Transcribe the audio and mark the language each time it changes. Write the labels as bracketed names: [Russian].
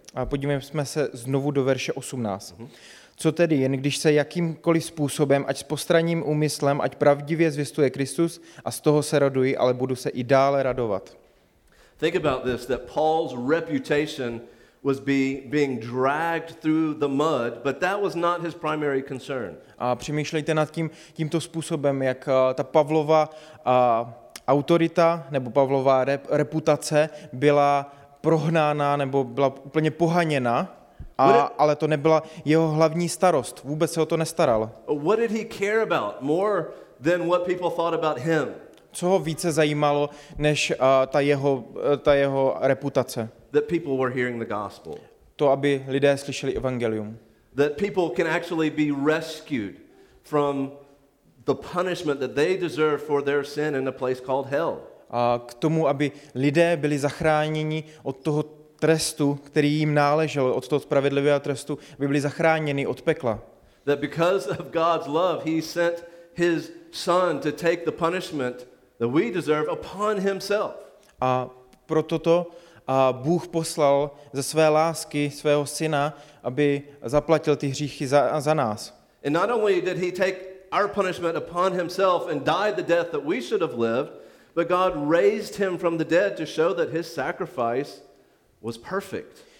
[Czech] A podívejme se znovu do verše 18. Mm-hmm. Co tedy, jen když se jakýmkoliv způsobem, ať s postranním úmyslem, ať pravdivě zvěstuje Kristus a z toho se raduji, ale budu se i dále radovat. [English] Think about this, that Paul's reputation was being dragged through the mud, but that was not his primary concern. [Czech] A přemýšlejte nad tímto způsobem, jak ta Pavlova autorita nebo Pavlova reputace byla prohnána nebo byla úplně pohaněna, ale to nebyla jeho hlavní starost. Vůbec se o to nestaral. [English] What did he care about more than what people thought about him? [Czech] Co ho více zajímalo než ta jeho reputace? [English] That people were hearing the gospel. [Czech] To, aby lidé slyšeli evangelium. [English] That people can actually be rescued from the punishment that they deserve for their sin in a place called hell. [Czech] A k tomu, aby lidé byli zachráněni od toho trestu, který jim náležel, od toho spravedlivého trestu, aby byli zachráněni od pekla. [English] That because of God's love, he sent his son to take the punishment that we deserve upon himself. [Czech] A proto to Bůh poslal ze své lásky svého syna, aby zaplatil ty hříchy za nás. [English] And not only did he take our punishment upon himself and died the death that we should have lived, but God raised him from the dead to show that his sacrifice was perfect.